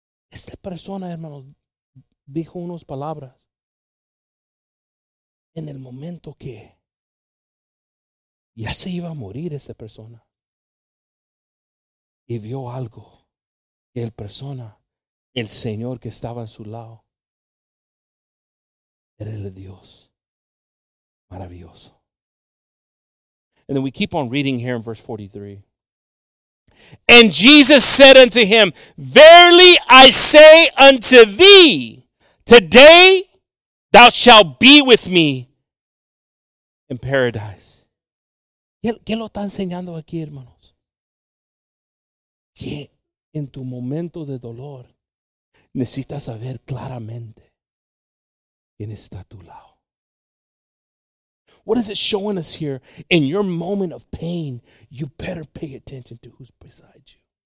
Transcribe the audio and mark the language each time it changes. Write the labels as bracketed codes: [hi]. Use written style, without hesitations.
[es] Esta persona, hermanos, dijo unas palabras en el momento que ya se iba a morir esta persona. Y vio algo. Y el persona, el Señor que estaba en su lado, era el Dios maravilloso. [en] And then we keep on reading here in verse 43. And Jesus said unto him, verily I say unto thee, today thou shalt be with me in paradise. [es] ¿Qué lo está enseñando aquí, hermanos? Que en tu momento de dolor necesitas saber claramente quién está a tu lado. [en] What is it showing us here? In your moment of pain, you better pay attention to who's beside you.